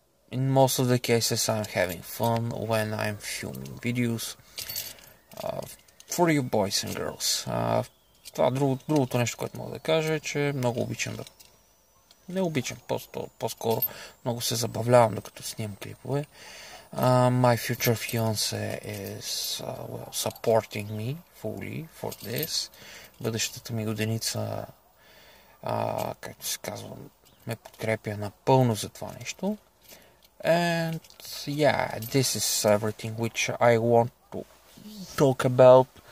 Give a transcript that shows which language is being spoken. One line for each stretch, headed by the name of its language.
English: In most of the cases, I'm having fun when I'm filming videos for you boys and girls.
Bulgarian: Това другото нещо, което мога да кажа е, че много обичам да... Не обичам, по-скоро много се забавлявам, докато снимам клипове.
English: My future fiance is well, supporting me fully for this.
Bulgarian: Бъдещата ми годеница, както се казва, ме подкрепя напълно за това нещо.
English: And yeah, this is everything which I want to talk about.